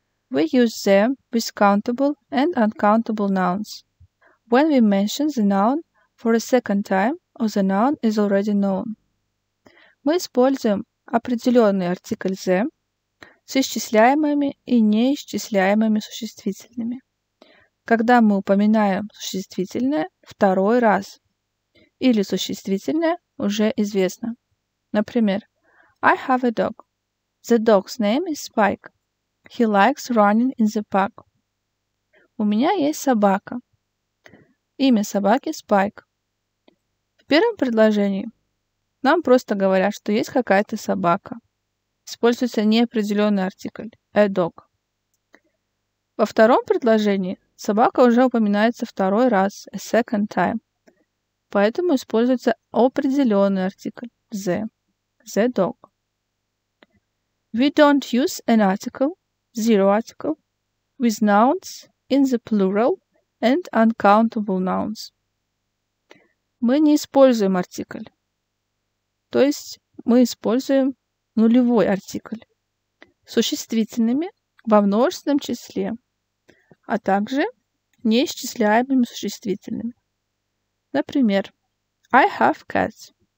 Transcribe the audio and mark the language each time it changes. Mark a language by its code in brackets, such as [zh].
[en] We use the with countable and uncountable nouns. When we mention the noun for a second time or the noun is already known. [ru] Мы используем определенный артикль the с исчисляемыми и неисчисляемыми существительными, когда мы упоминаем существительное второй раз или существительное уже известно. [en] Например, I have a dog. The dog's name is Spike. He likes running in the park. [ru] У меня есть собака. Имя собаки Спайк. В первом предложении Нам просто говорят, что есть какая-то собака. Используется неопределенный артикль – a dog. Во втором предложении собака уже упоминается второй раз – a second time. Поэтому используется определенный артикль – the – the dog. [en] We don't use an article – zero article – with nouns in the plural and uncountable nouns. [ru] Мы не используем артикль. То есть мы используем нулевой артикль с существительными во множественном числе, а также неисчисляемыми существительными. [en] Например, I have cats.